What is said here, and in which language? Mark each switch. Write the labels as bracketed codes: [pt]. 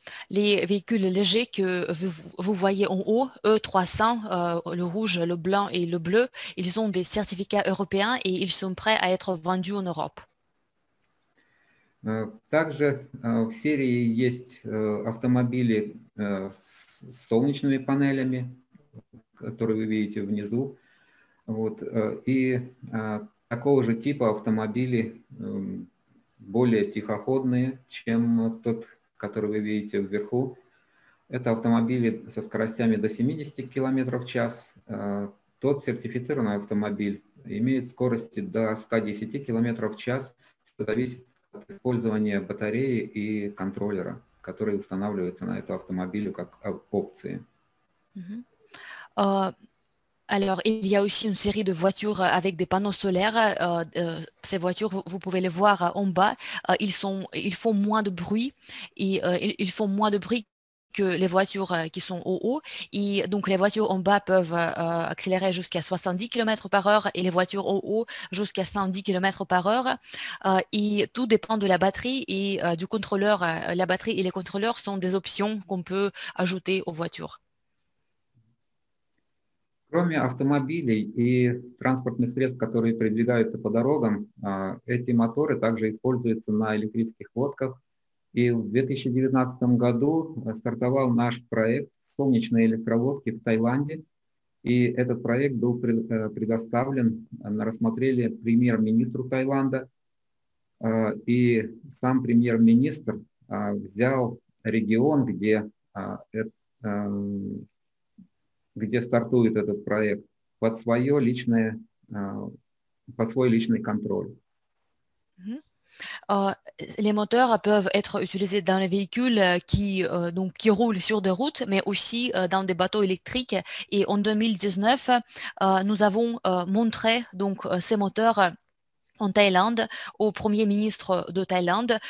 [fr] Les véhicules légers que vous voyez en haut, E300, le rouge, le blanc et le bleu, ils ont des certificats européens et ils sont prêts à être vendus en Europe. [ru] Также в серии есть автомобили с солнечными панелями, которые вы видите внизу. Вот, и такого же типа автомобили более тихоходные, чем тот, которые вы видите вверху, это автомобили со скоростями до 70 км в час. Тот сертифицированный автомобиль имеет скорости до 110 км в час. Это зависит от использования батареи и контроллера, которые устанавливаются на этот автомобиль как опции. [fr] Alors, il y a aussi une série de voitures avec des panneaux solaires. Ces voitures, vous pouvez les voir en bas. Ils font moins de bruit et ils font moins de bruit que les voitures qui sont au haut. Et donc, les voitures en bas peuvent accélérer jusqu'à 70 km par heure et les voitures en haut jusqu'à 110 km par heure. Et tout dépend de la batterie et du contrôleur. La batterie et les contrôleurs sont des options qu'on peut ajouter aux voitures. [ru] Кроме автомобилей и транспортных средств, которые передвигаются по дорогам, эти моторы также используются на электрических лодках. И в 2019 году стартовал наш проект «Солнечные электролодки» в Таиланде. И этот проект был предоставлен, рассмотрели премьер-министру Таиланда. И сам премьер-министр взял регион, где стартует этот проект, под свой личный контроль. [fr] Les moteurs peuvent être utilisés dans les véhicules qui roulent sur des routes, mais aussi dans des bateaux électriques. Et en 2019, nous avons montré donc ces moteurs en Thaïlande au Premier ministre de Thaïlande.